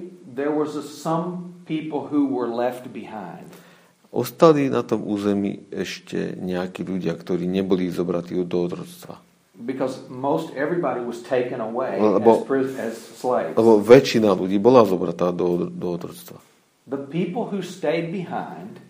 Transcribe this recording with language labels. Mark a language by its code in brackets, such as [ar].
[en] There was some people who were left behind. [sk] Ostali na tom území ešte nejakí ľudia, ktorí neboli zobratí do otroctva. [en] Because most everybody was taken away as slaves. [sk] Lebo väčšina ľudí bola zobratá do otroctva. [en] The people who stayed behind.